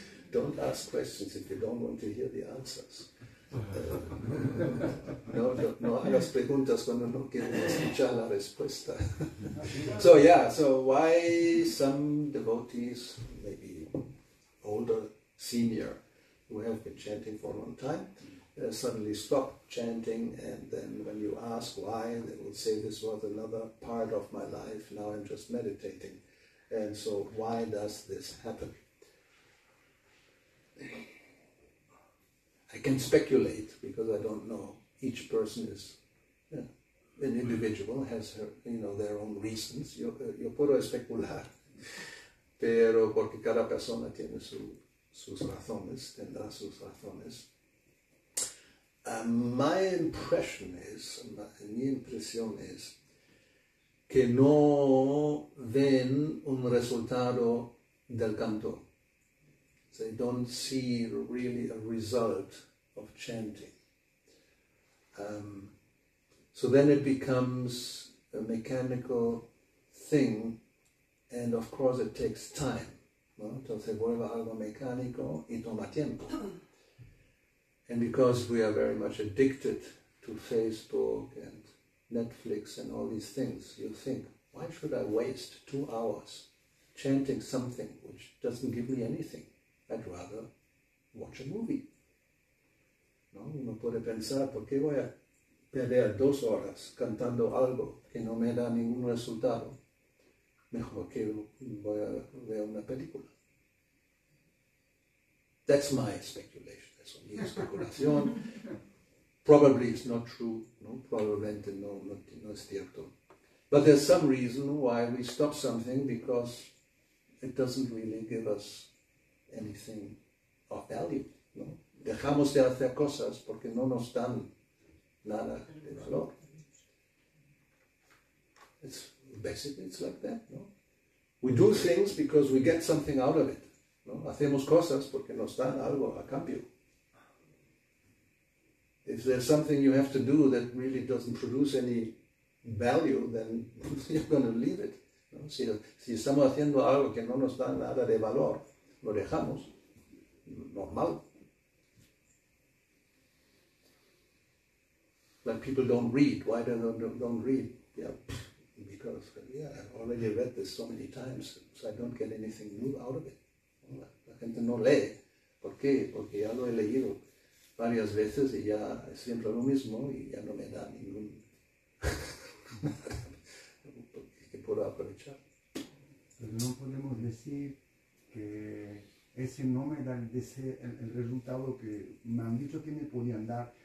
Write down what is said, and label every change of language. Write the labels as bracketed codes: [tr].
[en] Don't ask questions if you don't want to hear the answers. [es] No hagas preguntas cuando no quieres escuchar la respuesta. [en] So yeah, so why some devotees, maybe older, senior, who have been chanting for a long time, suddenly stop chanting, and then when you ask why, they will say this was another part of my life, now I'm just meditating. And so why does this happen? I can speculate because I don't know. Each person is an individual, has her, you know, their own reasons. [es] Yo puedo especular, pero porque cada persona tiene sus razones, tendrá sus razones. [en] My impression is, [es] mi impresión es que no ven un resultado del canto. [en] They don't see really a result of chanting. So then it becomes a mechanical thing, and of course it takes time. [es] ¿No? Entonces se vuelve algo mecánico y toma tiempo. [en] And because we are very much addicted to Facebook and Netflix and all these things, you think, why should I waste 2 hours chanting something which doesn't give me anything? I'd rather watch a movie. ¿No? [es] Uno puede pensar, ¿por qué voy a perder 2 horas cantando algo que no me da ningún resultado? Mejor que voy a ver una película. [en] That's my speculation. [es] Eso es mi especulación. [en] Probably it's not true. ¿No? [es] Probablemente no es cierto. [en] But there's some reason why we stop something, because it doesn't really give us anything of value. [es] ¿No? Dejamos de hacer cosas porque no nos dan nada de valor. [en] It's basically, it's like that, ¿no? We do things because we get something out of it. [es] ¿No? Hacemos cosas porque nos dan algo a cambio. [en] If there's something you have to do that really doesn't produce any value, then you're going to leave it. [es] ¿No? Si estamos haciendo algo que no nos da nada de valor, lo dejamos. [en] Normal. Like people don't read. Why they don't read? Yeah, because I've already read this so many times, so I don't get anything new out of it. [es] La gente no lee. ¿Por qué? Porque ya lo he leído varias veces y ya es siempre lo mismo y ya no me da ningún que puedo aprovechar. Pero no podemos decir que ese no me da el resultado que me han dicho que me podían dar.